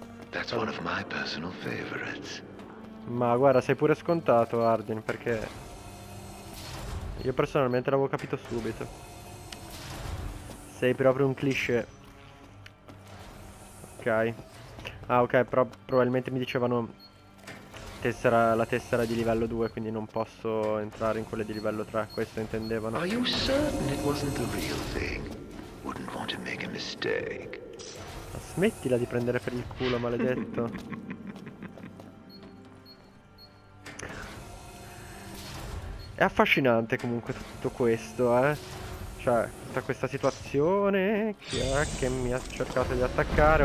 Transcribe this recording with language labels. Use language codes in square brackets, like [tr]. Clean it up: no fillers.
[en] That's one of my personal favorites. [it] Ma guarda, sei pure scontato, Ardyn, perché. Io personalmente l'avevo capito subito. Sei proprio un cliché. Ok. Ah, ok, però probabilmente mi dicevano tessera, la tessera di livello 2, quindi non posso entrare in quelle di livello 3, questo intendevano. [en] Are you certain it wasn't the real thing? Wouldn't want to make a mistake. [it] Ma smettila di prendere per il culo, maledetto. È affascinante comunque tutto questo, eh. Cioè, tutta questa situazione, chi è che mi ha cercato di attaccare?